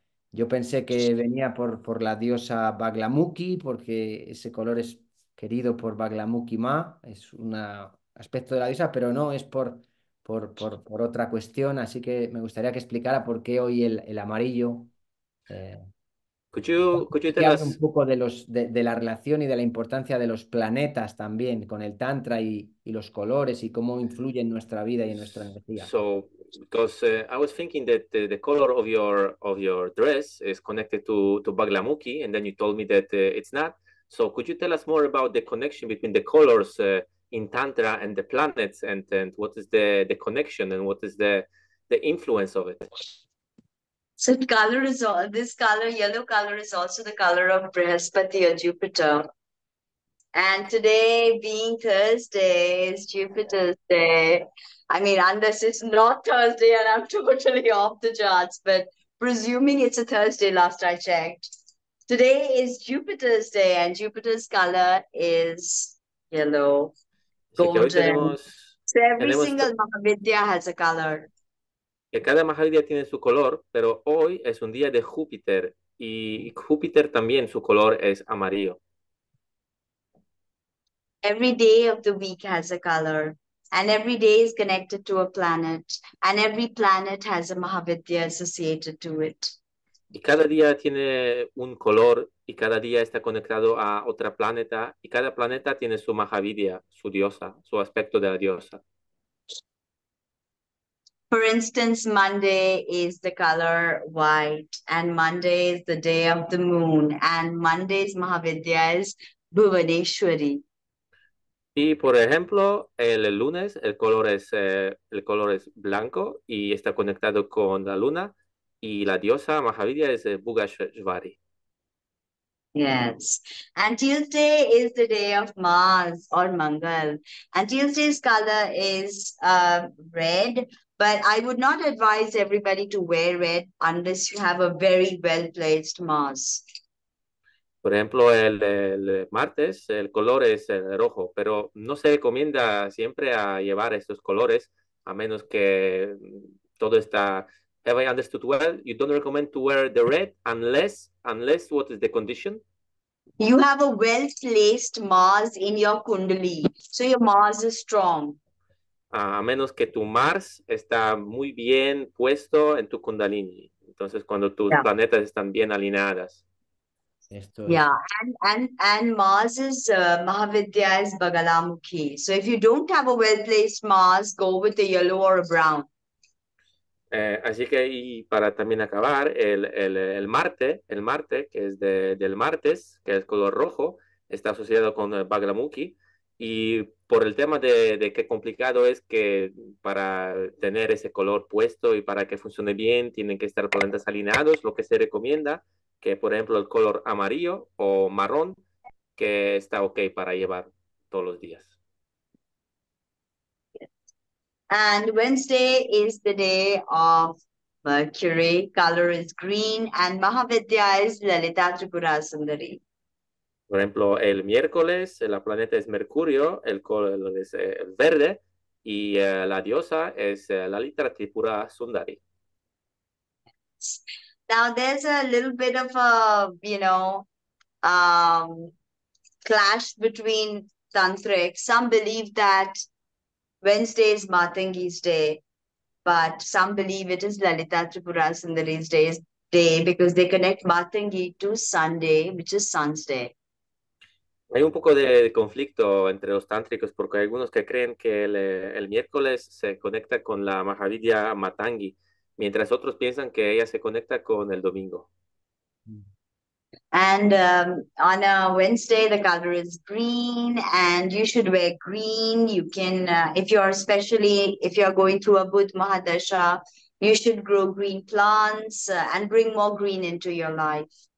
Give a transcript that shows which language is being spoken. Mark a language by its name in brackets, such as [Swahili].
[Spanish] Yo pensé que venía por la diosa Baglamuki, porque ese color es querido por Baglamuki Ma, es un aspecto de la diosa, pero no, es por otra cuestión. Así que me gustaría que explicara por qué hoy el amarillo. [English] Could you tell [Spanish] Hablo [English] us [Spanish] un poco de la relación y de la importancia de los planetas también con el tantra y los colores y cómo influyen en nuestra vida y en nuestra energía. [English] So, because I was thinking that the color of your dress is connected to Baglamuki, and then you told me that it's not. So, could you tell us more about the connection between the colors in tantra and the planets, and what is the connection and what is the influence of it? So this color, yellow color, is also the color of Brihaspati or Jupiter. And today, being Thursday, is Jupiter's day. I mean, unless it's not Thursday and I'm totally off the charts, but presuming it's a Thursday, last I checked. Today is Jupiter's day, and Jupiter's color is yellow, golden. So every single Mahavidya has a color. [Spanish] Que cada Mahavidya tiene su color, pero hoy es un día de Júpiter, y Júpiter también su color es amarillo. [English] Every day of the week has a color, and every day is connected to a planet, and every planet has a Mahavidya associated to it. [Spanish] Y cada día tiene un color, y cada día está conectado a otra planeta, y cada planeta tiene su Mahavidya, su diosa, su aspecto de la diosa. [English] For instance, Monday is the color white, and Monday is the day of the moon, and Monday's Mahavidya is Bhuvaneshwari. [Spanish] Y por ejemplo, el lunes el color es blanco y está conectado con la luna, y la diosa Mahavidya es Bhugashvari. [English] Yes, and Tuesday is the day of Mars or Mangal, and Tuesday's color is red. But I would not advise everybody to wear red unless you have a very well-placed Mars. [Spanish] Por ejemplo, el martes el color es el rojo, pero no se recomienda siempre a llevar estos colores a menos que todo está. [English] Have I understood well? You don't recommend to wear the red unless what is the condition? You have a well-placed Mars in your Kundali, so your Mars is strong. [Spanish] A menos que tu Mars está muy bien puesto en tu Kundalini. Entonces, cuando tus planetas están bien alineadas. [English] And Mars's Mahavidya is Bagalamukhi. So if you don't have a well-placed Mars, go with the yellow or a brown. [Spanish] Así que, y para también acabar, el Marte, que es del martes, que es color rojo, está asociado con Bagalamukhi. Y por el tema de qué complicado es que para tener ese color puesto y para que funcione bien, tienen que estar planetas alineados, lo que se recomienda, que por ejemplo el color amarillo o marrón, que está ok para llevar todos los días. [English] And Wednesday is the day of Mercury, color is green, and Mahavidya is Lalita Tripura Sundari. [Spanish] Por ejemplo, el miércoles la planeta es Mercurio, el color es verde, y la diosa es Lalita Tripura Sundari. [English] Now there's a little bit of a, you know, clash between tantric. Some believe that Wednesday is Matangi's day, but some believe it is Lalita Tripura Sundari's day because they connect Matangi to Sunday, which is Sun's day. [Spanish] Hay un poco de conflicto entre los tántricos porque hay algunos que creen que el miércoles se conecta con la Mahavidya Matangi, mientras otros piensan que ella se conecta con el domingo. [English] And on a Wednesday, the color is green, and you should wear green. You can, if you are going through a Buddha Mahadasha, you should grow green plants and bring more green into your life.